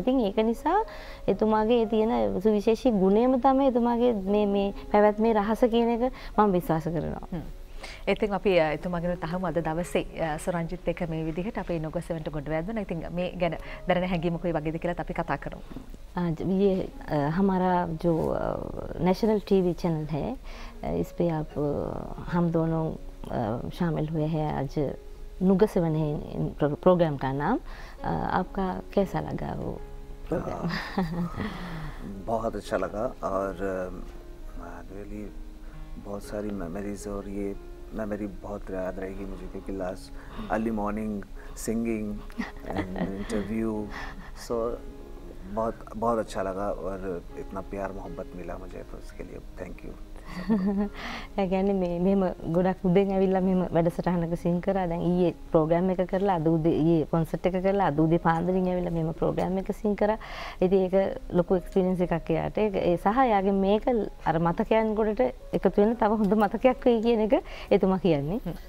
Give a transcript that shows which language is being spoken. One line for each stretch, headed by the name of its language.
Sinhala: ඉතින් ඒක නිසා එතුමාගේ තියෙන සුවිශේෂී ගුණයම තමයි එතුමාගේ මේ පැවැත්මේ රහස කියන එක මම විශ්වාස කරනවා. ඉතින් අපි එතුමාගෙන තහමු අද දවසේ සරංජිත් එක මේ විදිහට අපේ නොගසවෙන්ට ගොඩ වැදුණා. ඉතින් මේ ගැන දැනන හැඟීම කොයි වගේද කියලා අපි කතා කරමු.
Hindi: ये हमारा जो नेशनल टीवी चैनल है इस पे आप हम दोनों शामिल हुए हैं आज नुग सेवन है प्रोग्राम का नाम. आपका कैसा लगा वो बहुत अच्छा लगा और रियली बहुत सारी मेमोरीज, और ये मेमोरी बहुत याद रहेगी मुझे क्योंकि
English: last early morning singing interview,
Hindi: सो बहुत बहुत अच्छा लगा और इतना प्यार मोहब्बत मिला मुझे, तो उसके लिए थैंक यू.
Sinhala: ඒ කියන්නේ මේ මෙහෙම ගොඩක් උදෙන් ඇවිල්ලා මෙහෙම වැඩසටහනක සිං කරා. දැන් ඊයේ ප්‍රෝග්‍රෑම් එක කරලා අද උදේ ඊයේ කොන්සර්ට් එක කරලා අද උදේ පාන්දරින් ඇවිල්ලා මෙහෙම ප්‍රෝග්‍රෑම් එක සිං කරා. ඉතින් ඒක ලොකු එක්ස්පීරියන්ස් එකක් එයාට. ඒ සහ යාගේ මේක අර මතකයන් ගොඩට එකතු වෙන තව හොඳ මතකයක් වෙයි කියන එක එතුමා කියන්නේ.